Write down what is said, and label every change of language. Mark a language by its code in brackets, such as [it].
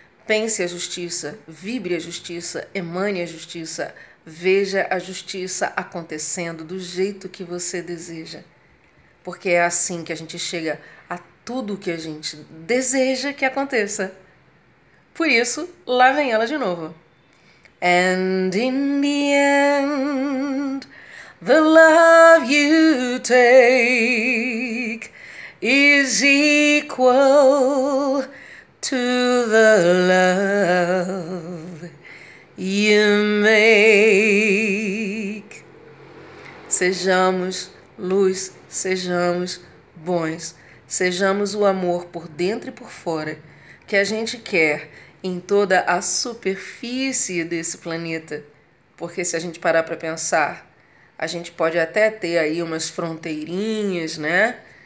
[pt] Pense a justiça, vibre a justiça, emane a justiça, veja a justiça acontecendo do jeito que você deseja. Porque é assim que a gente chega a tudo que a gente deseja que aconteça. Por isso, lá vem ela de novo. [en] And in the end, the love you take is equal to the love you make. [pt] Sejamos luz, sejamos bons, sejamos o amor por dentro e por fora que a gente quer. Em toda a superfície desse planeta. Porque se a gente parar para pensar, a gente pode até ter aí umas fronteirinhas, né?